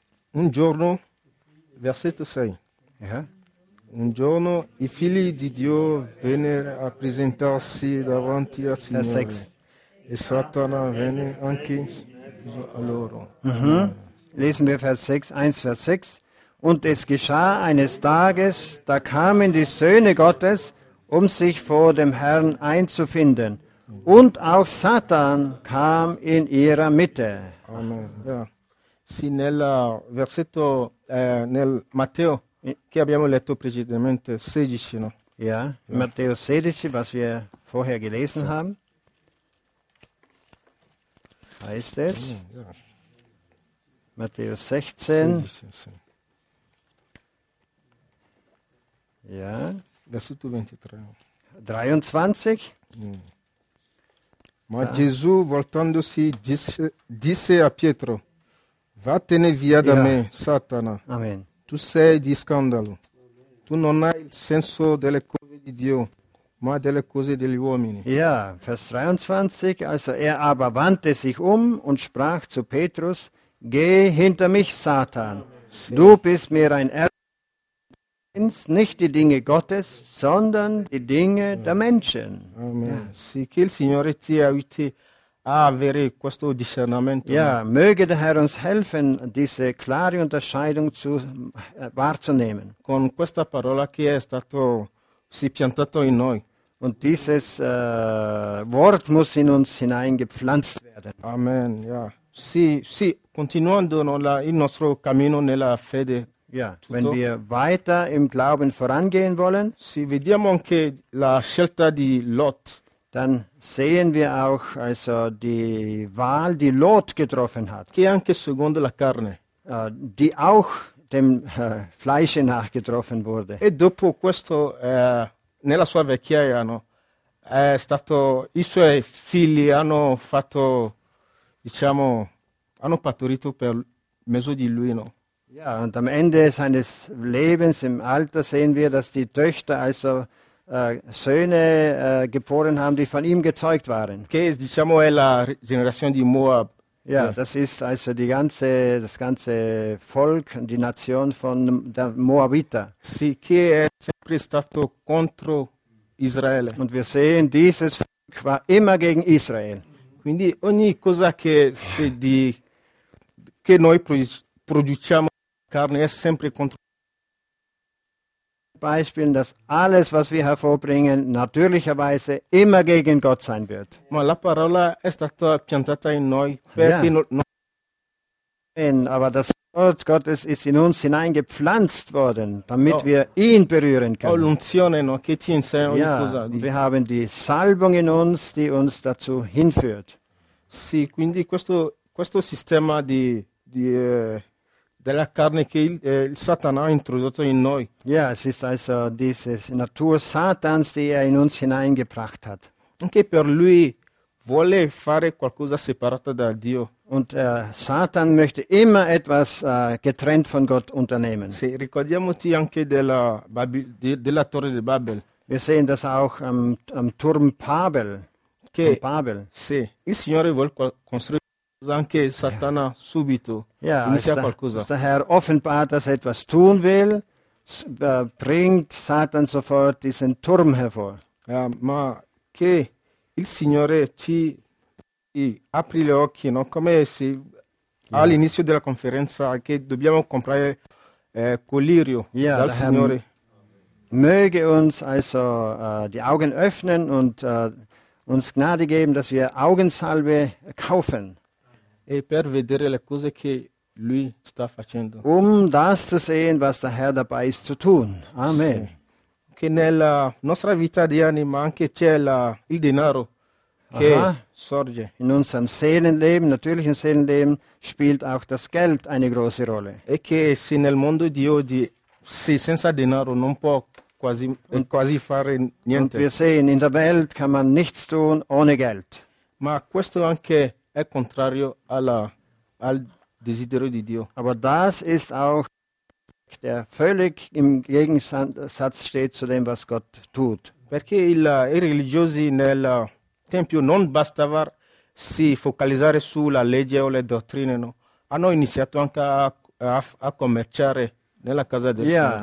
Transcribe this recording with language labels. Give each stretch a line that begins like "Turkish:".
Italian: Un giorno, versetto 6.
German: Ja.
Italian: Un giorno i figli di Dio vennero a presentarsi davanti al Signore e Satana venne anche a loro.
German: Mm-hmm. Lesen wir Vers 6, 1, Vers 6. Und es geschah eines Tages, da kamen die Söhne Gottes, um sich vor dem Herrn einzufinden. Und auch Satan kam in ihrer Mitte. Amen. Ja.
Italian: Sì, nel versetto, nel Matteo, che abbiamo letto precedentemente 16, no?
German: Ja, ja. Matteo 16, was wir vorher gelesen ja. haben. Heißt es? Ja. Matteo 16. 16. Ja,
Italian: versetto 23. 23. Ma ja. Gesù voltandosi disse a Pietro: "Vattene via da ja. me, Satana." Amen. Tu sei di scandalo. Tu non hai il senso delle cose di Dio, ma delle cose degli uomini.
German: Ja, Vers 23. Also er aber wandte sich um und sprach zu Petrus: Geh hinter mich, Satan. Du bist mir ein Erdmann. Nicht die Dinge Gottes, sondern die Dinge der Menschen. Amen.
Italian: Sì, che il Signore ti aiuti a avere questo discernimento.
German: Ja, möge der Herr uns helfen, diese klare Unterscheidung zu wahrzunehmen.
Italian: Con questa parola che è stato si piantato in noi.
German: Und dieses Wort muss in uns hineingepflanzt werden. Amen. Ja.
Italian: Sì, sì, continuando il nostro cammino nella fede. Ja, tutto.
German: Wenn wir weiter im Glauben vorangehen wollen.
Italian: Sì, vediamo anche la scelta di Lot.
German: Dann sehen wir auch also die Wahl, die Lot getroffen hat.
Italian: Che anche secondo la carne.
German: Die auch dem Fleische nach getroffen wurde.
Italian: E dopo questo, nella sua vecchiaia, no, è stato, i suoi figli hanno fatto, diciamo, hanno partorito per mezzo di lui, no?
German: Ja, und am Ende seines Lebens, im Alter, sehen wir, dass die Töchter also Söhne geboren haben, die von ihm gezeugt waren.
Italian: Che diciamo è la generazione di Moab.
German: Ja, das ist also die ganze, das ganze Volk, die Nation von der Moabiter.
Italian: Sì, chi è sempre stato contro Israele.
German: Und wir sehen, dieses Volk war immer gegen Israel.
Italian: Quindi ogni cosa che si di che noi produciamo carne è sempre contro.
German: Beispiel, dass alles, was wir hervorbringen, natürlicherweise immer gegen Gott sein wird.
Italian: Ma la parola è stata piantata in noi perché non.
German: Aber das Wort Gottes ist in uns hineingepflanzt worden, damit wir ihn berühren können.
Italian: L'unzione, no? Che ti insegna ogni cosa.
German: Wir haben die Salbung in uns, die uns dazu hinführt.
Italian: Sì, quindi questo sistema della carne che il Satana ha introdotto in noi.
German: Ja, es ist also diese Natur Satans, die in uns hineingebracht hat.
Italian: Anche per lui vuole fare qualcosa separato da Dio.
German: Und Satan möchte immer etwas getrennt von Gott unternehmen.
Italian: Sì, ricordiamoci anche della Torre di Babel.
German: Wir sehen das auch am Turm Babel.
Italian: Che Babel. Sì, il Signore vuole costruire. Anche Satana subito inizia qualcosa.
German: Der Herr offenbart, dass er etwas tun will, bringt Satan sofort diesen Turm hervor.
Italian: Ja, ma che il Signore ci apri gli occhi, no? Come se all'inizio della conferenza che dobbiamo comprare collirio dal Signore.
German: Möge uns also die Augen öffnen und uns Gnade geben, dass wir Augensalbe kaufen.
Italian: E per vedere le cose che lui sta facendo.
German: Das zu sehen, was der Herr dabei ist zu tun. Amen.
Italian: Sì. Che nella nostra vita di anima anche c'è il denaro che sorge.
German: In unserem Seelenleben, natürlichen Seelenleben, spielt auch das Geld eine große Rolle.
Italian: E che se nel mondo di oggi, se senza denaro non può quasi fare niente.
German: Und wir sehen, in der Welt kann man nichts tun ohne Geld.
Italian: Ma questo anche è contrario al desiderio di Dio.
German: Aber das ist auch der völlig im Gegensatz steht zu dem was Gott tut.
Italian: Perché i religiosi nel tempio non bastava si focalizzare sulla legge o le dottrine, no? Hanno iniziato anche a commerciare nella casa del Signore.